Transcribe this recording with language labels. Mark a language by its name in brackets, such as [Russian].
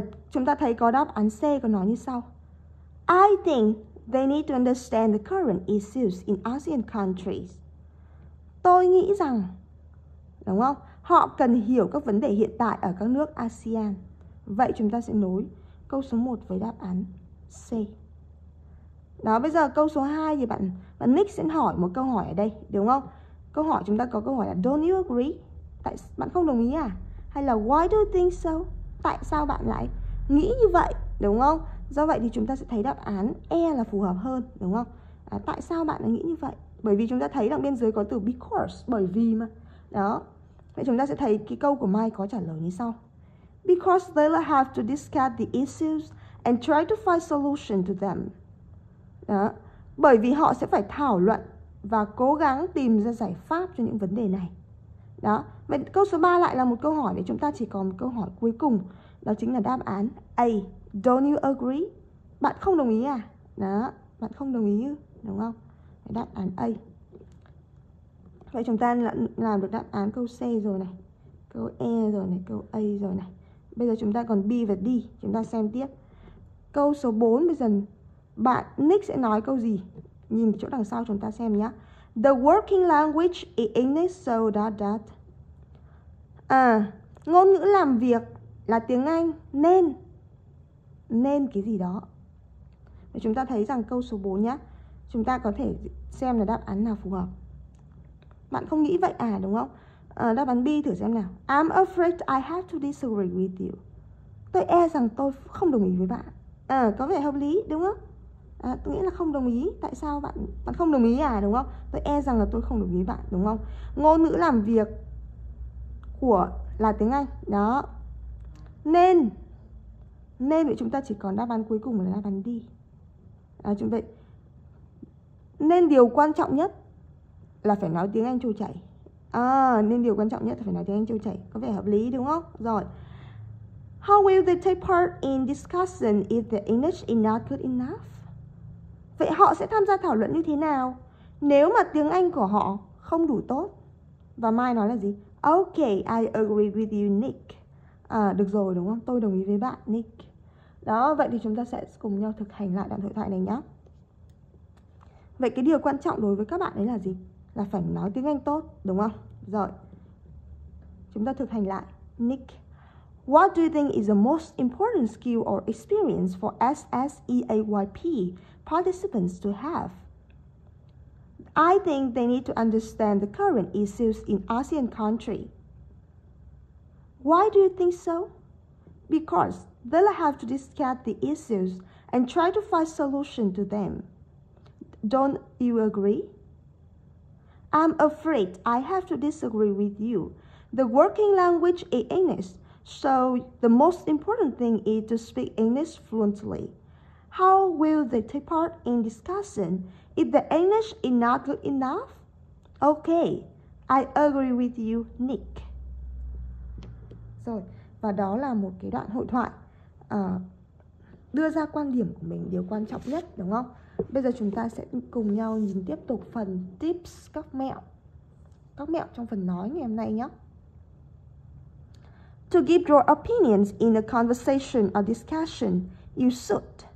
[Vietnamese] Chúng ta thấy có đáp án C có nói như sau. [English] I think they need to understand the current issues in ASEAN countries. [Vietnamese] Tôi nghĩ rằng, đúng không? Họ cần hiểu các vấn đề hiện tại ở các nước ASEAN. Vậy chúng ta sẽ nối câu số 1 với đáp án C. Đó, bây giờ câu số 2 thì bạn Nick sẽ hỏi một câu hỏi ở đây, đúng không? Câu hỏi chúng ta có câu hỏi là [English] don't you agree? [Vietnamese] Tại bạn không đồng ý à? Hay là [English] why do you think so? [Vietnamese] Tại sao bạn lại nghĩ như vậy, đúng không? Do vậy thì chúng ta sẽ thấy đáp án E là phù hợp hơn, đúng không? Tại sao bạn lại nghĩ như vậy? Bởi vì chúng ta thấy đằng bên dưới có từ because, bởi vì mà. Đó. Vậy chúng ta sẽ thấy cái câu của Mai có trả lời như sau. [English] Because they have to discuss the issues and try to find solution to them. [Vietnamese] Đó. Bởi vì họ sẽ phải thảo luận và cố gắng tìm ra giải pháp cho những vấn đề này. Đó. Vậy câu số 3 lại là một câu hỏi để chúng ta chỉ còn một câu hỏi cuối cùng. Đó chính là đáp án A. [English] Don't you agree? [Vietnamese] Bạn không đồng ý à? Đó. Bạn không đồng ý, đúng không? Đáp án A. Vậy chúng ta làm được đáp án câu C rồi này. Câu E rồi này. Câu A rồi này. Bây giờ chúng ta còn B và D. Chúng ta xem tiếp. Câu số 4 bây giờ bạn Nick sẽ nói câu gì? Nhìn chỗ đằng sau chúng ta xem nhé. [English] The working language is English, so dot dot. [Vietnamese] À, ngôn ngữ làm việc là tiếng Anh, nên. Nên cái gì đó. Và chúng ta thấy rằng câu số 4 nhé, chúng ta có thể xem là đáp án nào phù hợp. Bạn không nghĩ vậy à, đúng không? À, đáp án B thử xem nào. [English] I'm afraid I have to disagree with you. [Vietnamese] Tôi e rằng tôi không đồng ý với bạn. À, có vẻ hợp lý, đúng không? À, tôi nghĩ là không đồng ý. Tại sao bạn không đồng ý à, đúng không? Tôi e rằng là tôi không đồng ý với bạn, đúng không? Ngôn ngữ làm việc của là tiếng Anh. Đó. Nên. Nên thì chúng ta chỉ còn đáp án cuối cùng là đáp án D. À, chúng vậy. Nên điều quan trọng nhất là phải nói tiếng Anh trôi chảy. À, nên điều quan trọng nhất là phải nói tiếng Anh trôi chảy. Có vẻ hợp lý, đúng không? Rồi. [English] How will they take part in discussion if the English is not good enough? [Vietnamese] Vậy họ sẽ tham gia thảo luận như thế nào nếu mà tiếng Anh của họ không đủ tốt? Và Mai nói là gì? [English] Okay, I agree with you, Nick. [Vietnamese] À, được rồi, đúng không? Tôi đồng ý với bạn, Nick. Đó, vậy thì chúng ta sẽ cùng nhau thực hành lại đoạn hội thoại này nhé. Vậy cái điều quan trọng đối với các bạn ấy là gì? Là phải nói tiếng Anh tốt, đúng không? Rồi, chúng ta thực hành lại. [English] Nick, what do you think is the most important skill or experience for SSEAYP participants to have? I think they need to understand the current issues in ASEAN country. Why do you think so? Because they'll have to discuss the issues and try to find solution to them. Don't you agree? I'm afraid I have to disagree with you. The working language is English, so the most important thing is to speak English fluently. How will they take part in discussion if the English is not good enough? Okay, I agree with you, Nick. [Vietnamese] Rồi, và đó là một cái đoạn hội thoại đưa ra quan điểm của mình, điều quan trọng nhất, đúng không? Bây giờ chúng ta sẽ cùng nhau nhìn tiếp tục phần tips, các mẹo trong phần nói ngày hôm nay nhé. [English] To give your opinions in a conversation or discussion, you should.